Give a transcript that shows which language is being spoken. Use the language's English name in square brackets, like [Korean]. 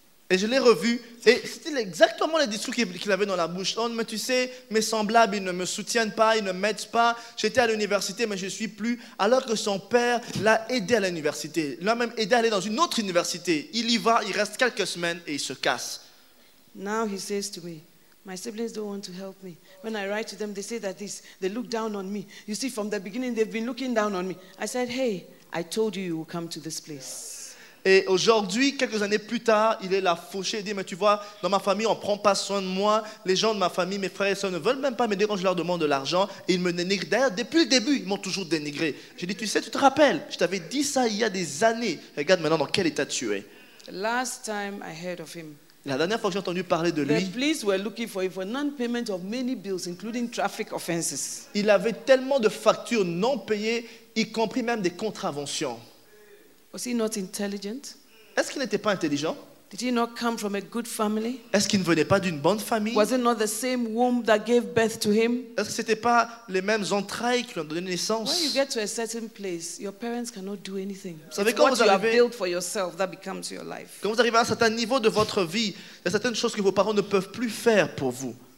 [French] Et je l'ai revu, et c'était exactement les discours qu'il avait dans la bouche. Oh, mais tu sais, mes semblables, ils ne me soutiennent pas, ils ne m'aident pas. J'étais à l'université, mais je ne suis plus. Alors que son père l'a aidé à l'université, l'a même aidé à aller dans une autre université. Il y va, il reste quelques semaines et il se casse. [English] Now he says to me, my siblings don't want to help me. When I write to them, they say that this, they look down on me. You see, from the beginning, they've been looking down on me. I said, hey, I told you you would come to this place. [French] Et aujourd'hui, quelques années plus tard, il est là fauché et dit, mais tu vois, dans ma famille, on ne prend pas soin de moi. Les gens de ma famille, mes frères et soeurs ne veulent même pas m'aider quand je leur demande de l'argent. Et ils me dénigrent. D'ailleurs, depuis le début, ils m'ont toujours dénigré. J'ai dit, tu sais, tu te rappelles, je t'avais dit ça il y a des années. Regarde maintenant dans quel état tu es. [English] Last time I heard of him, [French] la dernière fois que j'ai entendu parler de lui, [English] the police were looking for him for non-payment of many bills, including traffic offenses. [French] Il avait tellement de factures non payées, y compris même des contraventions. [English] Was he not intelligent? [French] Est-ce qu'il n'était pas intelligent? [English] Did he not come from a good family? [French] Est-ce qu'il ne venait pas d'une bonne famille? [English] Was it not the same womb that gave birth to him? [French] Est-ce que c'était pas les mêmes entrailles qui lui ont donné naissance? [English] When you get to a certain place, your parents cannot do anything. [French] Vous savez, quand [English] what [French] vous arrivez, [English] you have built for yourself that becomes your life. [French] Quand vous arrivez à un certain niveau de votre vie, il y a certaines choses que vos parents ne peuvent plus faire pour vous.